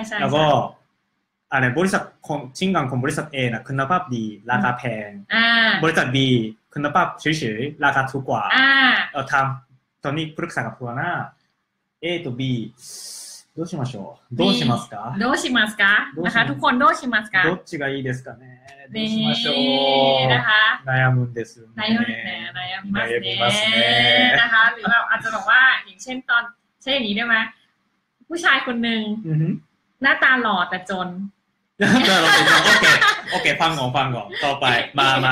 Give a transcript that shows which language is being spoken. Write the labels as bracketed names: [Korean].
[Thai] แล้วก็อะไรบริษัทของชิ้นงานของบริษัท A นะคุณภาพดีราคาแพงบริษัท B คุณภาพเฉยๆราคาถูกกว่ า เออทำตอนนี้ปรึกษากับหัวหน้า A ตัว B [Japanese] どうしましょうどうしますかどうしますか [Thai] นะคะทุกคน [Japanese] どうしますかどっちがいいですかねどうしましょう [Thai] นะคะ [Japanese] 悩むんですね悩みますね悩みますね [Thai] นะคะหรือว่าอาจจะบอกว่าอย่างเช่นตอนเช่นนี้ได้ไหมผู้ชายคนหนึ่งหน้าตาหล่อแต่จน หน้าตาหล่อแต่จนโอเคฟังก่อนต่อไปมา